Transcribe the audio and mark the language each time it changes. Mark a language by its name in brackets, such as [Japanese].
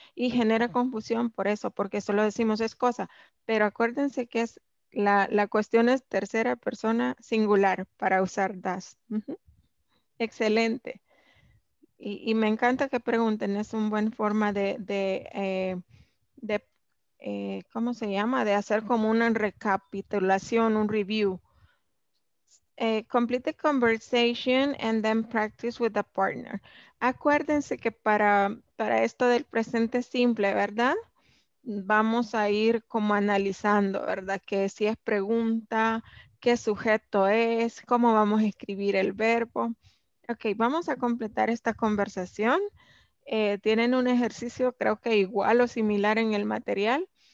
[Spanish] Y genera confusión por eso, porque solo decimos es cosa. Pero acuérdense que es la, la cuestión es tercera persona singular para usar that's. Excelente. Y me encanta que pregunten. Es una buena forma de ¿cómo se llama? De hacer como una recapitulación, un review. [English] Complete the conversation and then practice with the partner. [Spanish] Acuérdense que para esto del presente simple, ¿verdad? Vamos a ir como analizando, ¿verdad? Que si es pregunta, qué sujeto es, cómo vamos a escribir el verbo. Ok, vamos a completar esta conversación. Tienen un ejercicio creo que igual o similar en el material.